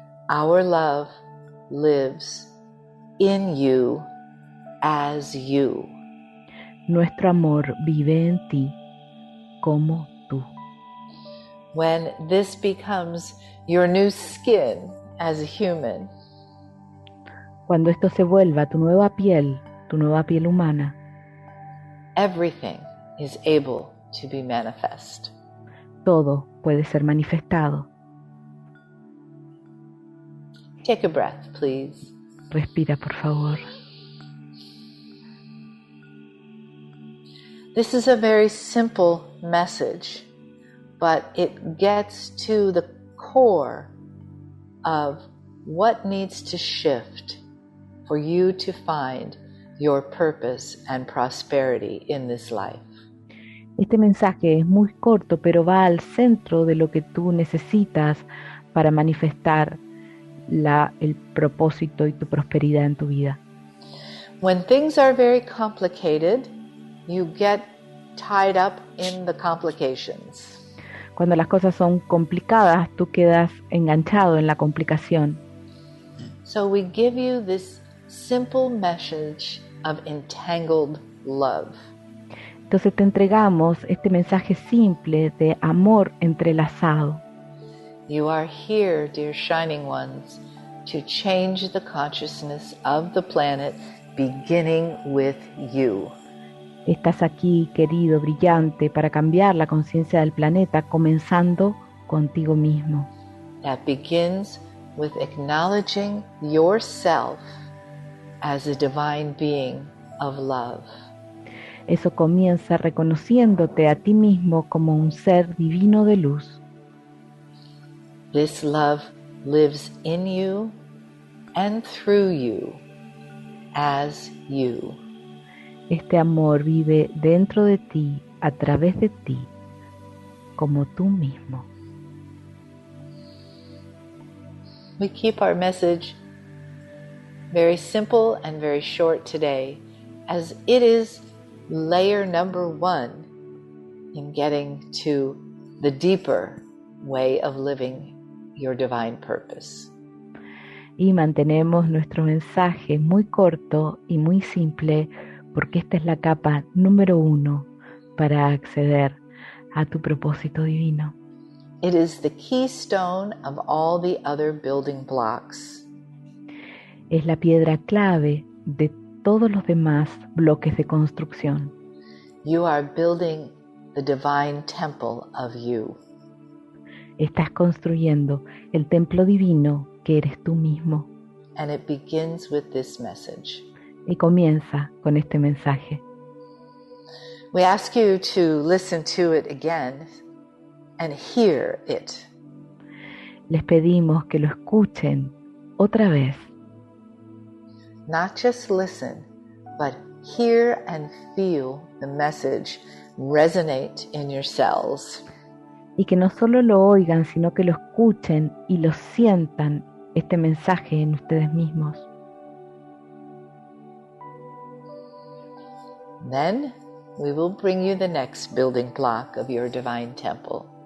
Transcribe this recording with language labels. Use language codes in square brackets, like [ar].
[en] Our love lives in you as you. [es] Nuestro amor vive en ti como tú. [en] When this becomes your new skin as a human. [es] Cuando esto se vuelva tu nueva piel humana. [en] Everything is able to be manifest. [es] Todo puede ser manifestado. [en] Take a breath, please. [es] Respira, por favor. [en] This is a very simple message, but it gets to the core of what needs to shift for you to find your purpose and prosperity in this life. [es] Este mensaje es muy corto, pero va al centro de lo que tú necesitas para manifestar el propósito y tu prosperidad en tu vida. [en] When things are very complicated, you get tied up in the complications. [es] Cuando las cosas son complicadas, tú quedas enganchado en la complicación. [en] So we give you this simple message of entangled love. [es] Entonces te entregamos este mensaje simple de amor entrelazado. [en] You are here, dear shining ones, to change the consciousness of the planet, beginning with you. [es] Estás aquí, querido, brillante, para cambiar la conciencia del planeta, comenzando contigo mismo. [en] That begins with acknowledging yourself as a divine being of love. [es] Eso comienza reconociéndote a ti mismo como un ser divino de luz. [en] This love lives in you and through you as you. [es] Este amor vive dentro de ti, a través de ti, como tú mismo. [en] We keep our message very simple and very short today, as it is layer number one in getting to the deeper way of living your divine purpose. [es] Y mantenemos nuestro mensaje muy corto y muy simple, porque esta es la capa número uno para acceder a tu propósito divino. [en] It is the keystone of all the other building blocks. [es] Es la piedra clave de todos los demás bloques de construcción. [en] You are building the divine temple of you. [es] Estás construyendo el templo divino que eres tú mismo. [en] And it begins with this message. [es] Y comienza con este mensaje. [en] We ask you to listen to it again and hear it. [es] Les pedimos que lo escuchen otra vez. [en] Not just listen, but hear and feel the message resonate in your cells. [es] Y que no solo lo oigan, sino que lo escuchen y lo sientan, este mensaje, en ustedes mismos. [en] Then we will bring you the next building block of your divine temple.